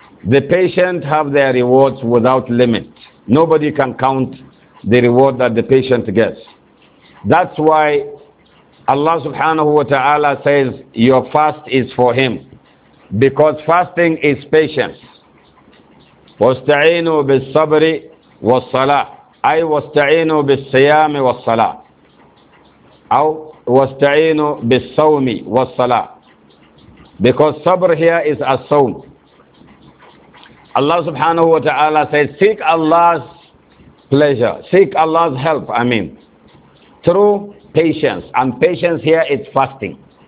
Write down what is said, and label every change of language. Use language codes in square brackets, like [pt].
[en] The patient have their rewards without limit. Nobody can count the reward that the patient gets. That's why Allah subhanahu wa ta'ala says your fast is for him. Because fasting is patience. [ar] وَاسْتَعِينُوا بِالصَّبْرِ وَالصَّلَاةِ أي واستعينوا بالصيام والصلاة أو واستعينوا بالصوم والصلاة. [en] Because صبر here is a soul. Allah subhanahu wa ta'ala says, seek Allah's pleasure, seek Allah's help, I mean, through patience. And patience here is fasting.